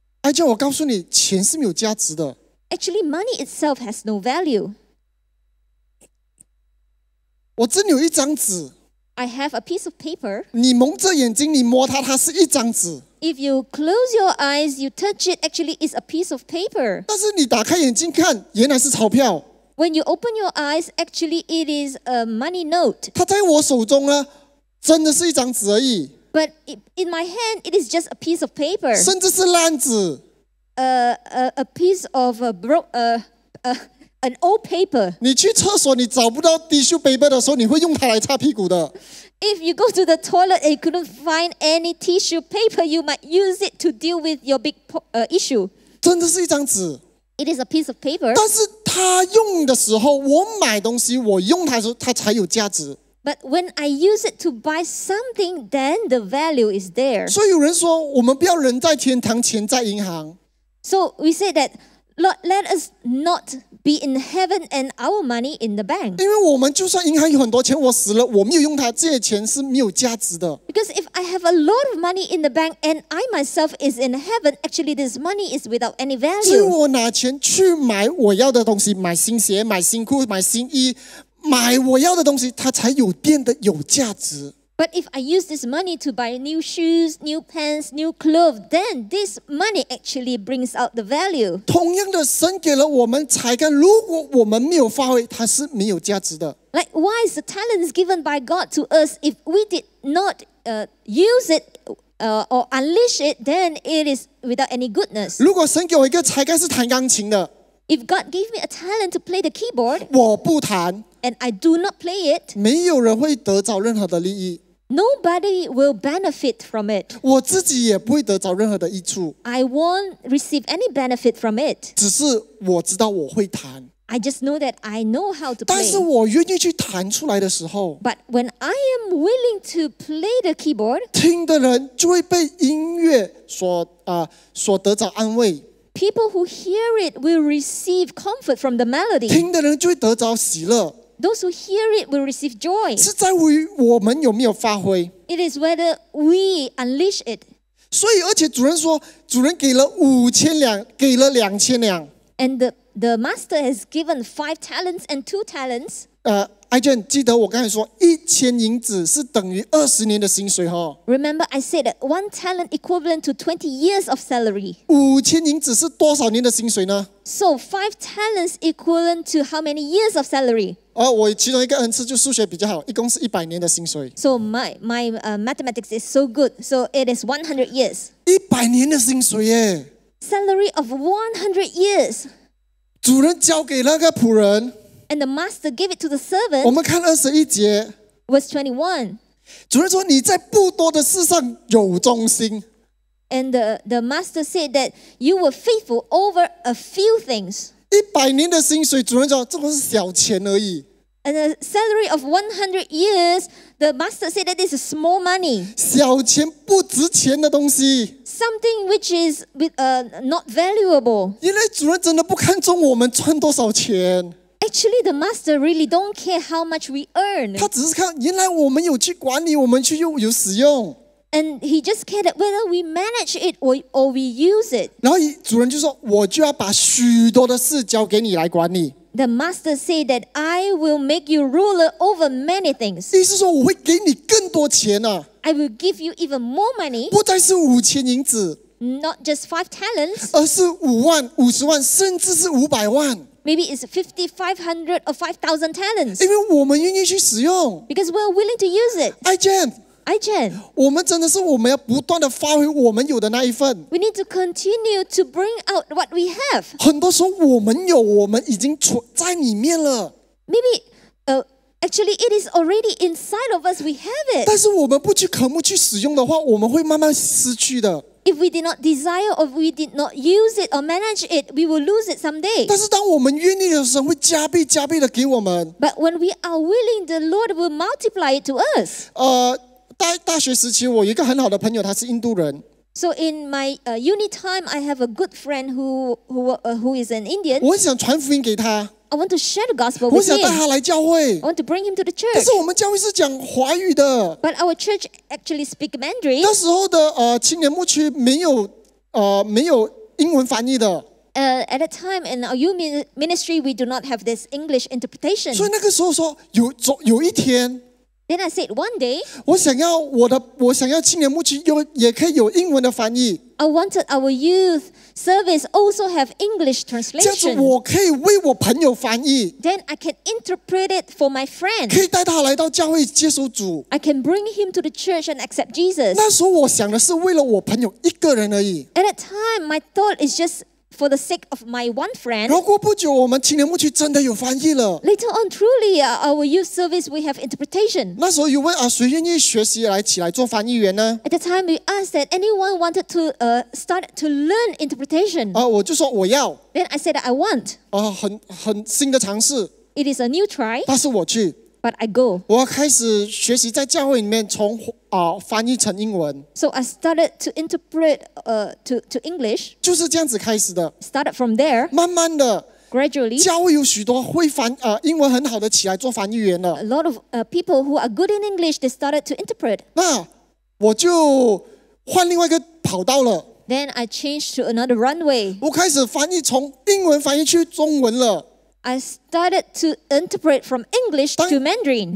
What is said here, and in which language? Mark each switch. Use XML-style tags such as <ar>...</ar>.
<zh>爱娇，我告诉你，钱是没有价值的。</zh> <en>Actually, money itself has no value.</en> <zh>我只有一张纸。</zh> <en>I have a piece of paper.</en> <zh>你蒙着眼睛，你摸它，它是一张纸。</zh> <en>If you close your eyes, you touch it, actually it's a piece of paper.</en> <zh>但是你打开眼睛看，原来是钞票。</zh> <en>When you open your eyes, actually it is a money note.</en> <zh>它在我手中呢，真的是一张纸而已。</zh> <en>But in my hand, it is just a piece of paper.</en> <zh>甚至是烂纸。</zh> <en>A piece of a broke, An old paper.</en> <zh>你去厕所，你找不到 tissue paper 的时候，你会用它来擦屁股的。</zh> <en>If you go to the toilet and you couldn't find any tissue paper, you might use it to deal with your big issue.</en> <zh>真的是一张纸。</zh> <en>It is a piece of paper.</en> <zh>但是它用的时候，我买东西，我用它的时候，它才有价值。</zh> <en>But when I use it to buy something, then the value is there.</en> <zh>所以有人说，我们不要人在天堂，钱在银行。</zh> <en>So we say that, Lord, let us not. Be in heaven and our money in the bank.</en> <zh>因为我们就算银行有很多钱，我死了我没有用它，这些钱是没有价值的。</zh> <en>Because if I have a lot of money in the bank and I myself is in heaven, actually this money is without any value.</en> <zh>只有我拿钱去买我要的东西，买新鞋，买新裤，买新衣，买我要的东西，它才有变得有价值。</zh> <en>But if I use this money to buy new shoes, new pants, new clothes, then this money actually brings out the value.</en> <zh>同样的，神给了我们才干，如果我们没有发挥，它是没有价值的。</zh> <en>Likewise, the talents given by God to us, if we did not use it, or unleash it, then it is without any goodness.</en> <zh>如果神给我一个才干是弹钢琴的,</zh> <en>if God gave me a talent to play the keyboard,</en> <zh>我不弹,</zh> <en>and I do not play it,</en> <zh>没有人会得着任何的利益,</zh> <en>nobody will benefit from it.</en> <zh>我自己也不会得着任何的益处,</zh> <en>I won't receive any benefit from it.</en> <zh>只是我知道我会弹,</zh> <en>I just know that I know how to play.</en> <zh>但是我愿意去弹出来的时候,</zh> <en>but when I am willing to play the keyboard,</en> <zh>听的人就会被音乐所, 所得着安慰,</zh> <en>people who hear it will receive comfort from the melody.</en> <zh>听的人就会得着喜乐,</zh> <en>those who hear it will receive joy.</en> <zh>是在于我们有没有发挥,</zh> <en>it is whether we unleash it.</en> <zh>所以而且主人说, 主人给了5,000两, 给了2,000两,</zh> <en>and the master has given 5 talents and 2 talents.</en> <zh>Ijen, 记得我刚才说, 1,000银子是等于20年的薪水, 哦?</zh> <en>Remember, I said that 1 talent equivalent to 20 years of salary.</en> <zh>5,000银子是多少年的薪水呢?</zh> <en>So, 5 talents equivalent to how many years of salary?</en> <zh>我其中一个恩赐就数学比较好, 一共是100年的薪水。</zh> <en>So, my mathematics is so good. So, it is 100 years.</en> <zh>100年的薪水耶!</zh> <en>Salary of 100 years.</en> <zh>主人交给那个仆人,</zh> <en>and the master gave it to the servant.</en> <zh>我们看21节,</zh> <en>verse 21.</en> <zh>主人说, 你在不多的事上有忠心,</zh> <en>and the master said that you were faithful over a few things.</en> <zh>100年的薪水, 主人说, 这个是小钱而已,</zh> <en>and the salary of 100 years, the master said that this is small money.</en> <zh>小钱不值钱的东西,</zh> <en>something which is not valuable.</en> <zh>原来主人真的不看重我们赚多少钱,</zh> <en>actually, the master really don't care how much we earn.</en> <zh>他只是看原来我们有去管理，我们去用有使用,</zh> <en>and he just cared whether we manage it or we use it.</en> <zh>然后主人就说，我就要把许多的事交给你来管理。</zh> <en>The master said that I will make you ruler over many things.</en> <zh>意思说我会给你更多钱啊,</zh> <en>I will give you even more money.</en> <zh>不再是5,000银子,</zh> <en>not just 5 talents,</en> <zh>而是50,000, 50,000, 甚至是500,000,</zh> <en>maybe it's 5,500 or 5,000 talents.</en> <zh>因为我们愿意去使用,</zh> <en>because we're willing to use it.</en> <zh>Ijen, 我们真的是我们要不断地发挥我们有的那一份,</zh> <en>we need to continue to bring out what we have.</en> <zh>很多时候我们有，我们已经存在里面了,</zh> <en>maybe actually it is already inside of us, we have it.</en> <zh>但是我们不去渴慕去使用的话，我们会慢慢失去的。</zh> <en>If we did not desire or we did not use it or manage it, we will lose it someday.</en> <zh>但是当我们愿意的时候, 会加倍加倍地给我们。</zh> <en>But when we are willing, the Lord will multiply it to us.</en> <zh>大学时期, 我有一个很好的朋友, 他是印度人。</zh> <en>So in my uni time, I have a good friend who is an Indian.</en> <zh>我很想传福音给他。</zh> <en>I want to share the gospel with him.</en> <zh>我想带他来教会。</zh> <en>I want to bring him to the church.</en> <zh>但是我们教会是讲华语的。</zh> <en>But our church actually speak Mandarin.</en> <zh>那时候的, 青年牧区没有, 没有英文翻译的。</zh> <en>At that time in our youth ministry, we do not have this English interpretation.</en> <zh>所以那个时候说, 有一天,</zh> <en>then I said one day,</en> <zh>我想要青年牧区也可以有英文的翻译。</zh> <en>I wanted our youth service also have English translation.</en> <zh>这样子我可以为我朋友翻译。</zh> <en>Then I can interpret it for my friend.</en> <zh>可以带他来到教会接受主。</zh> <en>I can bring him to the church and accept Jesus.</en> <zh>那时候我想的是为了我朋友一个人而已。</zh> <en>At that time, my thought is just for the sake of my one friend.</en> <zh>然后过不久，我们青年牧区真的有翻译了。</zh> <en>Later on, truly, our youth service, we have interpretation.</en> <zh>那时候又问, 谁愿意学习来起来做翻译员呢?</zh> <en>At the time, we asked that anyone wanted to start to learn interpretation.</en> <zh>我就说我要。</zh> <en>Then I said that I want.</en> <zh>很新的尝试。</zh> <en>It is a new try.</en> <zh>但是我去。</zh> <en>But I go.</en> <zh>我开始学习在教会里面从, 翻译成英文,</zh> <en>so I started to interpret to English.</en> <zh>就是这样子开始的,</zh> <en>started from there.</en> <zh>慢慢的,</zh> <en>gradually,</en> <zh>教会有许多会翻, 英文很好的起来做翻译员了。</zh> <en>A lot of people who are good in English, they started to interpret.</en> <zh>那我就换另外一个跑道了。</zh> <en>Then I changed to another runway.</en> <zh>我开始翻译从英文翻译去中文了。</zh> <en>I started to interpret from English to Mandarin.</en>